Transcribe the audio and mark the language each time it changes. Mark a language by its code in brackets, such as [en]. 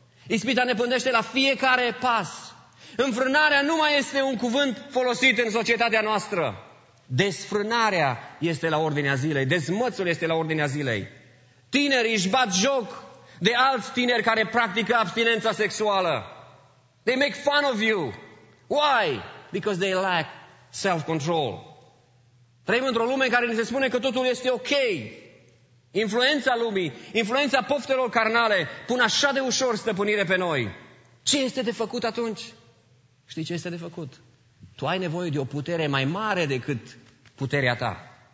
[ro] Ispita ne pândește la fiecare pas. Înfrânarea nu mai este un cuvânt folosit în societatea noastră. Desfrânarea este la ordinea zilei, dezmățul este la ordinea zilei. Tineri își bat joc de alți tineri care practică abstinența sexuală. [en] They make fun of you. Why? Because they lack self-control. [ro] Trăim într-o lume în care ne se spune că totul este ok. Influența lumii, influența poftelor carnale pun așa de ușor stăpânire pe noi. Ce este de făcut atunci? Știi ce este de făcut? Tu ai nevoie de o putere mai mare decât puterea ta.